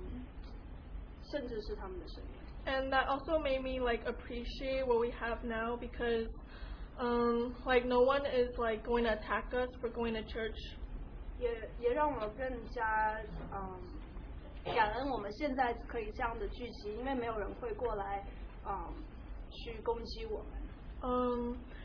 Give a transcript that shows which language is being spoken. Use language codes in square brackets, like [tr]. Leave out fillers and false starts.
[zh] 让我很摸着就是他们对神的爱是多么的深，多么的坚强，让他们不惧怕任何事情，甚至是他们的生命。 [en] And that also made me like appreciate what we have now because like no one is like going to attack us for going to church. [zh] 也让我更加感恩我们现在可以这样的聚集，因为没有人会过来去攻击我们。